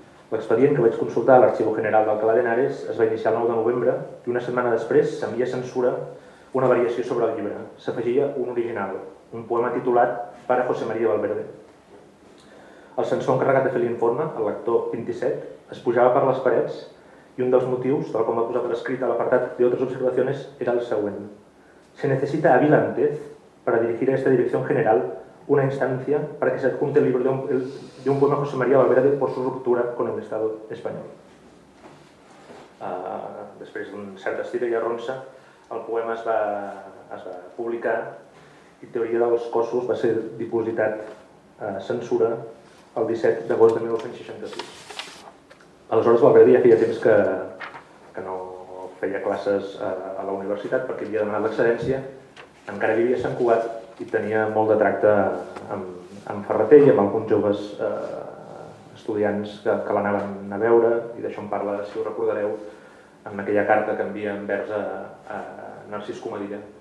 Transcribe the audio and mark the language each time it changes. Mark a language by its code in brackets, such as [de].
[ca] L'expedient que vaig consultar a l'Arxiu General d'Alcalá de Henares es va iniciar el 9 de novembre i una setmana després s'envia Censura una variació sobre el llibre. S'afegia un original, un poema titulat Pare José María Valverde. El censor encarregat de fer l'informe, el lector 27, es pujava per les parets i un dels motius, tal com va posar per escrit a l'apartat d'altres observacions, era el següent. [es] Se necessita habilantez para dirigir a esta dirección general una instancia para que se adjunte el libro de un poema José María Valverde por su ruptura con el Estado español. [ca] Després d'un cert estira i arronsa, el poema es va publicar i Teoria dels cossos va ser dipositat a Censura el 17 d'agost de 1966. Aleshores, Valverde ja feia temps que no feia classes a la universitat perquè havia demanat l'excedència, encara vivia a Sant Cugat i tenia molt de tracte amb Ferreter i amb alguns joves estudiants que l'anaven a veure, i d'això en parla, si ho recordareu, en aquella carta que envia envers a Narcís Comadilla.